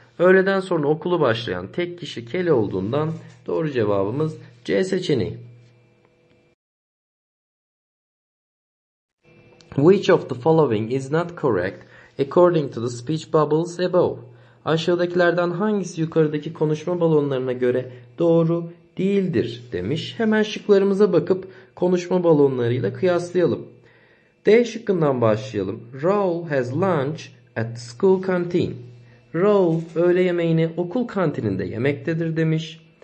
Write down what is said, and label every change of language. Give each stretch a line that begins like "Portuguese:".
Turkish: Öğleden sonra okulu başlayan tek kişi Kelly olduğundan doğru cevabımız C seçeneği.
English: Which of the following is not correct according to the speech bubbles above?
Turkish: Aşağıdakilerden hangisi yukarıdaki konuşma balonlarına göre doğru değildir demiş. Hemen şıklarımıza bakıp konuşma balonlarıyla kıyaslayalım. D şıkkından başlayalım.
English: Raul has lunch at the school canteen.
Turkish: Raul öğle yemeğini okul kantininde yemektedir demiş.